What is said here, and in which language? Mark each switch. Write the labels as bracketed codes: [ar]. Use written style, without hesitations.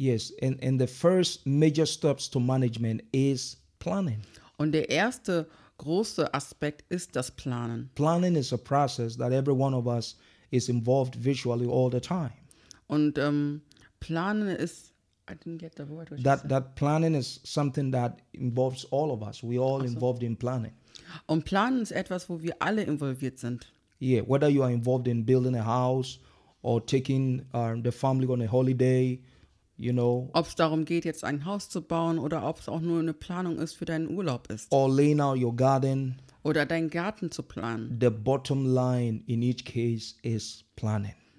[en] Yes, and the first major steps to management is planning. [de] Und der erste große Aspekt ist das Planen. [en] Planning is a process that every one of us is involved visually all the time. [de] Und planen ist, [en] I didn't get the word. That planning is something that involves all of us. We're all involved in planning. [de] Und planen ist etwas, wo wir alle involviert sind. [en] Yeah, whether you are involved in building a house or taking the family on a holiday, you know. [de] Ob es darum geht, jetzt ein Haus zu bauen oder ob es auch nur eine Planung ist für deinen Urlaub ist. [en] Or laying out your garden. [de] Oder deinen Garten zu planen. [en] The bottom line in each case is planning.